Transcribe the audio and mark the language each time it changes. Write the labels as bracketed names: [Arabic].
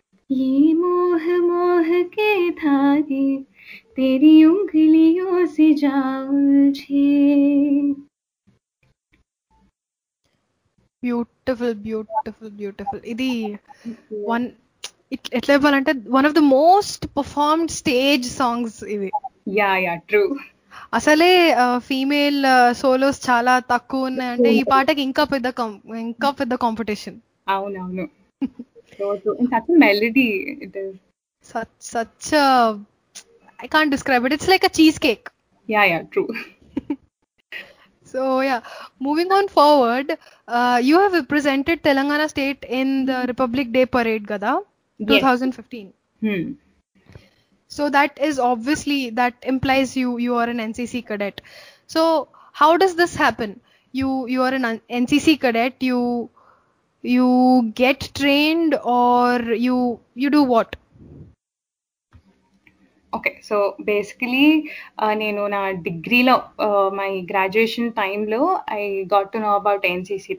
[Hindi] ये मोह मोह के धागे तेरी उंगलियों से जाऊंगी। [English] beautiful beautiful beautiful [Telugu] ఇది వన్ ఇట్లా వాలంటే [English] One of the most performed stage songs ఇది. Yeah yeah true. [Telugu] అసలే ఫీమేల్ సోలోస్ చాలా తక్కువ ఉన్నాయి అంటే ఈ పాటకి ఇంకా పెద్ద కాంపిటీషన్. అవునవును. [English] Such melody it is such such I can't describe it. It's like a cheesecake. Yeah, yeah, true. So, yeah, moving on forward, you have represented Telangana state in the Republic Day Parade, Gada, 2015. Yes. So that is obviously, that implies you are an NCC cadet. So how does this happen? You are an NCC cadet, you get trained or you do what? Okay so basically [Telugu] నేను నా డిగ్రీలో [English] My graduation టైంలో I got to know about NCC.